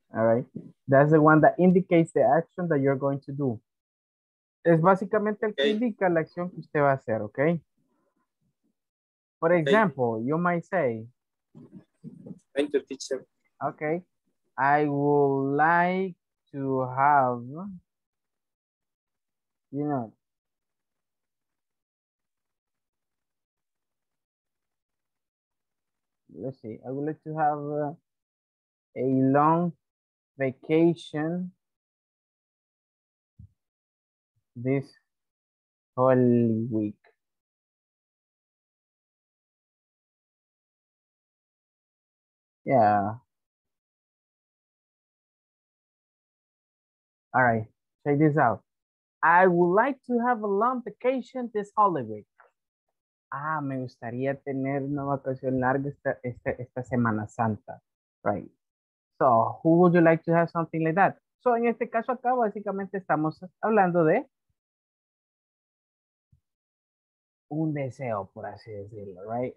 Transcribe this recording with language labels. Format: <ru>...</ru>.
<en>All right, that's the one that indicates the action that you're going to do.</en> <es>Es básicamente el que indica la acción que usted va a hacer, okay?</es> <en>For example, you might say. Thank you, teacher. Okay, I would like to have, you know. Let's see, I would like to have a long vacation this holy week. Yeah. All right, check this out. I would like to have a long vacation this holy week.</en> <es>Ah, me gustaría tener una vacación larga esta Semana Santa.</es> <en>Right. So, who would you like to have something like that?</en> <es>So, en este caso acá, básicamente estamos hablando de un deseo, por así decirlo, right?</es>